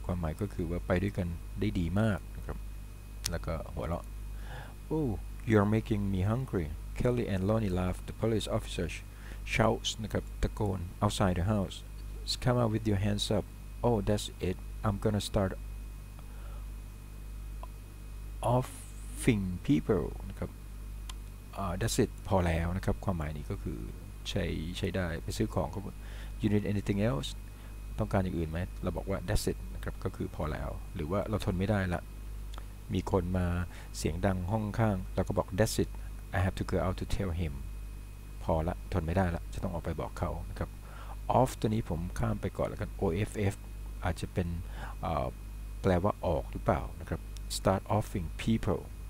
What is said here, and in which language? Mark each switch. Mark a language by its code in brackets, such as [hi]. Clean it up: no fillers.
[th] ความหมายก็คือว่าไปด้วยกันได้ดีมากนะครับแล้วก็หัวเราะ Oh. [en] You're making me hungry. Kelly and Lonnie laugh. The police officer shouts, [th] นะครับ ตะโกน [en] outside the house. Come out with your hands up. Oh, that's it. I'm gonna start offing people. [th] นะครับ that's it. พอแล้วนะครับ ความหมายนี้ก็คือใช้ได้ไปซื้อของก็ [en] You need anything else? [th] ต้องการอย่างอื่นไหม เราบอกว่า that's it. นะครับ ก็คือพอแล้ว หรือว่าเราทนไม่ได้ละมีคนมาเสียงดังห้องข้างแล้วก็บอก [en] That's it I have to go out to tell him [th] พอละทนไม่ได้ละจะต้องออกไปบอกเขานะครับ off ตัวนี้ผมข้ามไปก่อนแล้วกัน off อาจจะเป็นแปลว่าออกหรือเปล่านะครับ [en] start offing people